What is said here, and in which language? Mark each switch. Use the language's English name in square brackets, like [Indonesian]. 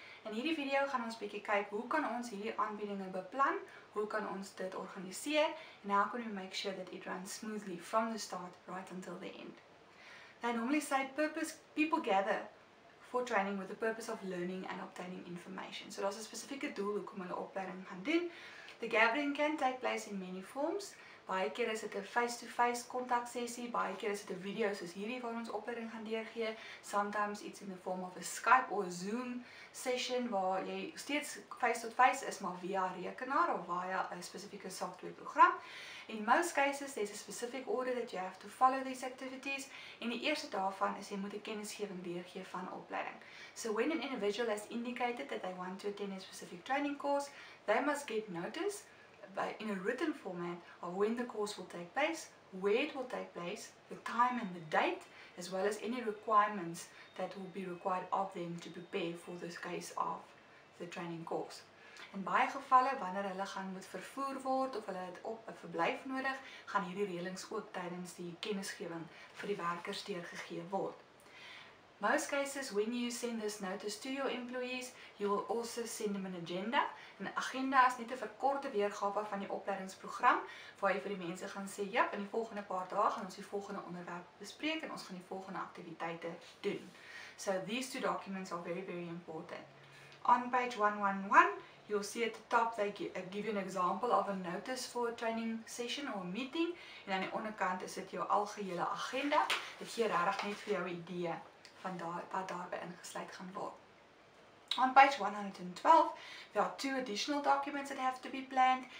[Afrikaans] In hierdie video gaan ons bietjie kyk hoe kan ons hierdie aanbiedinge beplan, hoe kan ons dit organiseer, [English] and how can we make sure that it runs smoothly from the start right until the end. They normally say purpose, people gather for training with the purpose of learning and obtaining information. [Afrikaans] So daar's 'n spesifieke doel hoekom hulle opleiding gaan doen. [English] The gathering can take place in many forms. [Afrikaans] Baie keer is dit 'n face-to-face contact sessie, baie keer is dit 'n video soos hierdie waar ons opleiding gaan deurgee. [English] Sometimes it's in the form of a Skype or a Zoom session [Afrikaans] waar jy steeds face-to-face is maar via rekenaar of via 'n spesifieke software program. [English] In most cases, there's a specific order that you have to follow these activities. [Afrikaans] En die eerste daarvan is jy moet 'n kennisgewing deurgee van opleiding. [English] So when an individual has indicated that they want to attend a specific training course, they must get notice in a written format of when the course will take place, where it will take place, the time and the date, as well as any requirements that will be required of them to prepare for this case of the training course. [Afrikaans] In baie gevalle, wanneer hulle gaan moet vervoer word of hulle het op 'n verblyf nodig, gaan hierdie reëlings ook tydens die kennisgewing vir die werkers deurgegee word. [English] Most cases, when you send this notice to your employees, you will also send them an agenda. An agenda is [Afrikaans] net 'n verkorte weergawe van die opleidingsprogram, waar jy vir die mense gaan sê, ja, in die volgende paar dae gaan ons die volgende onderwerp bespreek en ons gaan die volgende aktiwiteite doen. [English] So these two documents are very, very important. On page 111, you'll see at the top, they give you an example of a notice for a training session or a meeting. [Afrikaans] En aan die onderkant is dit jou algehele agenda. Dit gee regtig net vir jou 'n idee van wat daarby ingesluit gaan word. [English] On page 112, there are two additional documents that have to be planned.